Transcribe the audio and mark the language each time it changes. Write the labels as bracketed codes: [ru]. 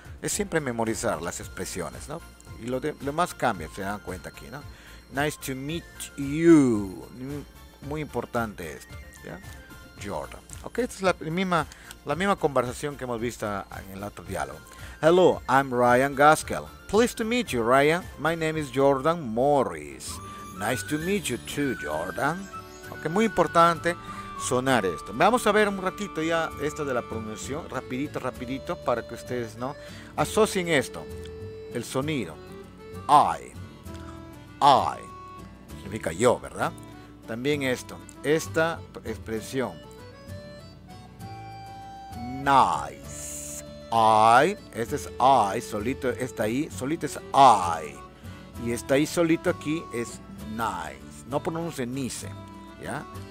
[es] Es siempre memorizar las expresiones, ¿no? Y lo más cambia, se dan cuenta aquí, ¿no? [en] Nice to meet you. [es] Muy importante esto, ¿ya? Jordan. Ok, esta es la misma conversación que hemos visto en el otro diálogo. [en] Hello, I'm Ryan Gaskell. Pleased to meet you, Ryan. My name is Jordan Morris. Nice to meet you too, Jordan. [es] Ok, muy importante sonar esto. Vamos a ver un ratito ya esto de la pronunciación, rapidito, para que ustedes, ¿no?, asocien esto, el sonido. I. Significa yo, ¿verdad? También esto, esta expresión, nice, I, este es I, solito está ahí, solito es I, y está ahí solito aquí es nice, no pronuncie nice, ¿ya?